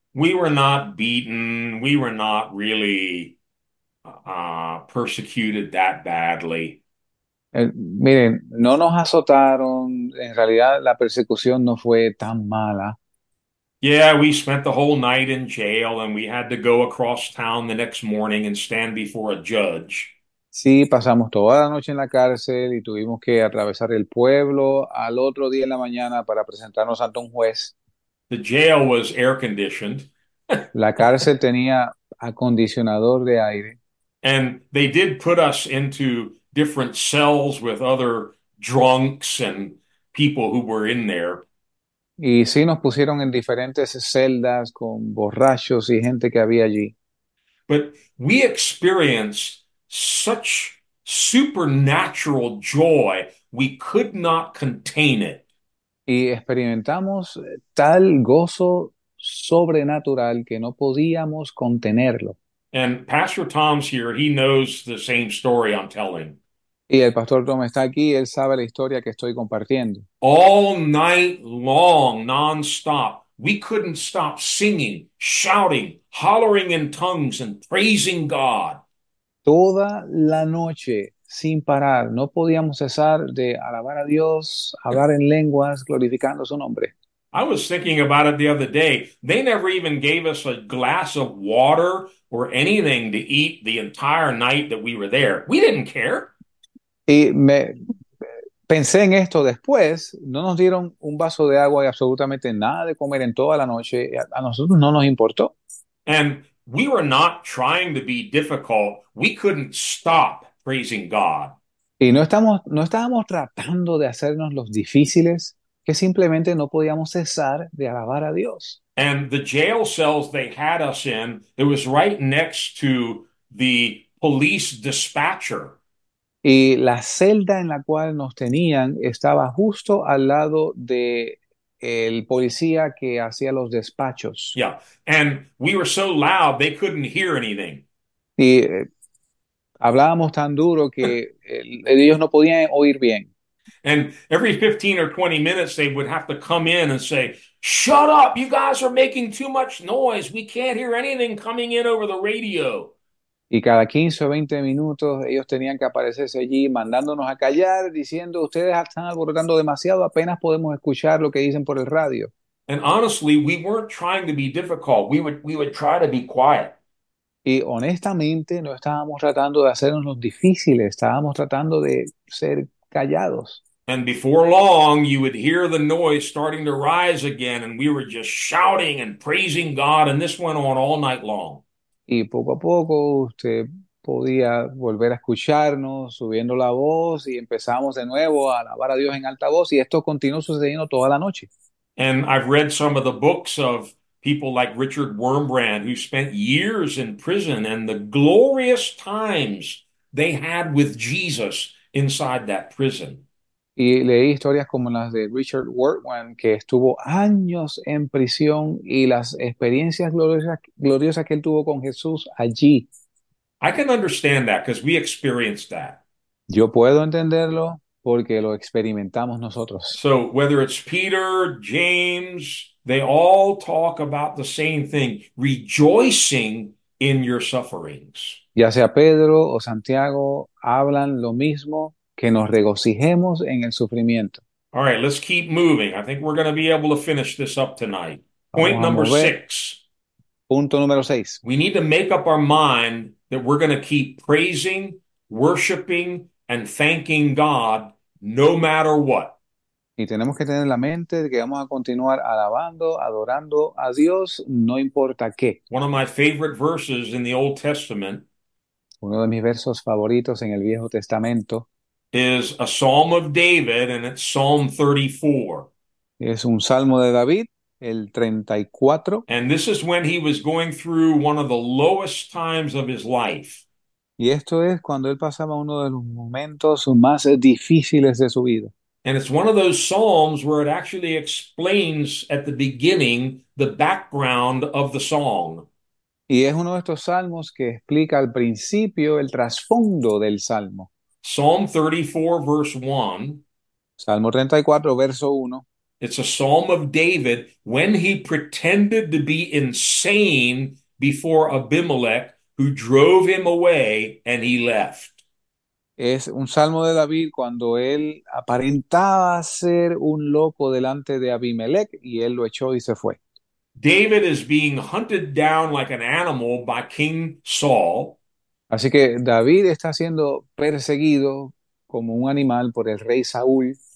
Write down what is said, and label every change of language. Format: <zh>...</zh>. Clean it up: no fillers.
<en>We were not beaten, we were not really persecuted that badly.</en> <es>Miren, no nos azotaron, en realidad la persecución no fue tan mala.</es> <en>Yeah, we spent the whole night in jail and we had to go across town the next morning and stand before a judge.</en> <es>Sí, pasamos toda la noche en la cárcel y tuvimos que atravesar el pueblo al otro día en la mañana para presentarnos ante un juez.</es> <en>The jail was air conditioned.</en> <es>La cárcel tenía acondicionador de aire.</es> <en>And they did put us into different cells with other drunks and people who were in there.</en> <es>Y sí nos pusieron en diferentes celdas con borrachos y gente que había allí.</es> <en>But we experienced such supernatural joy, we could not contain it.</en> <es>Y experimentamos tal gozo sobrenatural que no podíamos contenerlo.</es> <en>And Pastor Tom's here, he knows the same story I'm telling.</en> <es>Y el pastor Tom está aquí, él sabe la historia que estoy compartiendo.</es> <en>All night long, nonstop, we couldn't stop singing, shouting, hollering in tongues, and praising God.</en> <es>Toda la noche, sin parar, no podíamos cesar de alabar a Dios, hablar en lenguas, glorificando su nombre.</es> <en>I was thinking about it the other day. They never even gave us a glass of water or anything to eat the entire night that we were there. We didn't care.</en> <es>Y me pensé en esto después, no nos dieron un vaso de agua y absolutamente nada de comer en toda la noche, a nosotros no nos importó.</es> <en>And we were not trying to be difficult. We couldn't stop praising God.</en> <es>Y no estábamos tratando de hacernos los difíciles, que simplemente no podíamos cesar de alabar a Dios.</es> <en>And the jail cells they had us in, it was right next to the police dispatcher.</en> <es>Y la celda en la cual nos tenían estaba justo al lado de el policía que hacía los despachos.</es> <en>Yeah, and we were so loud they couldn't hear anything.</en> <es>Y hablábamos tan duro que ellos no podían oír bien.</es> <en>And every 15 or 20 minutes, they would have to come in and say, "Shut up, you guys are making too much noise. We can't hear anything coming in over the radio."</en> <es>Y cada 15 o 20 minutos ellos tenían que aparecerse allí mandándonos a callar, diciendo, ustedes están alborotando demasiado, apenas podemos escuchar lo que dicen por el radio.</es> <en>And honestly, we weren't trying to be difficult. We would try to be quiet.</en> <es>Y honestamente no estábamos tratando de hacernos los difíciles, estábamos tratando de ser callados.</es> <en>And before long, you would hear the noise starting to rise again, and we were just shouting and praising God, and this went on all night long.</en> <es>Y poco a poco usted podía volver a escucharnos subiendo la voz y empezamos de nuevo a alabar a Dios en alta voz y esto continuó sucediendo toda la noche.</es> <en>And I've read some of the books of people like Richard Wurmbrand, who spent years in prison, and the glorious times they had with Jesus inside that prison.</en> <es>Y leí historias como las de Richard Wurmbrand, que estuvo años en prisión, y las experiencias gloriosas que él tuvo con Jesús allí.</es> <en>I can understand that because we experienced that.</en> <es>Yo puedo entenderlo porque lo experimentamos nosotros.</es> <en>So whether it's Peter, James, they all talk about the same thing, rejoicing in your sufferings.</en> <es>Ya sea Pedro o Santiago, hablan lo mismo. Que nos regocijemos en el sufrimiento.</es> <en>All right, let's keep moving. I think we're going to be able to finish this up tonight. Point</en> <es>Vamos a</es> <en>number</en> <es>mover.</es> <en>six.</en> <es>Punto número 6.</es> <en>We need to make up our mind that we're going to keep praising, worshiping, and thanking God no matter what.</en> <es>Y tenemos que tener la mente de que vamos a continuar alabando, adorando a Dios, no importa qué.</es> <en>One of my favorite verses in the Old Testament</en> <es>Uno de mis versos favoritos en el Viejo Testamento.</es> <en>is a Psalm of David, and it's Psalm 34.</en> <es>Es un salmo de David, el 34.</es> <en>And this is when he was going through one of the lowest times of his life.</en> <es>Y esto es cuando él pasaba uno de los momentos más difíciles de su vida.</es> <en>And it's one of those psalms where it actually explains at the beginning the background of the song.</en> <es>Y es uno de estos salmos que explica al principio el trasfondo del salmo.</es> <en>Psalm 34, verse 1.</en> <es>Salmo 34, verso 1.</es> <en>It's a psalm of David when he pretended to be insane before Abimelech, who drove him away and he left.</en> <es>Es un salmo de David cuando él aparentaba ser un loco delante de Abimelech y él lo echó y se fue.</es> <en>David is being hunted down like an animal by King Saul.</en> <es>Así que David está siendo perseguido como un animal por el rey Saúl.</es>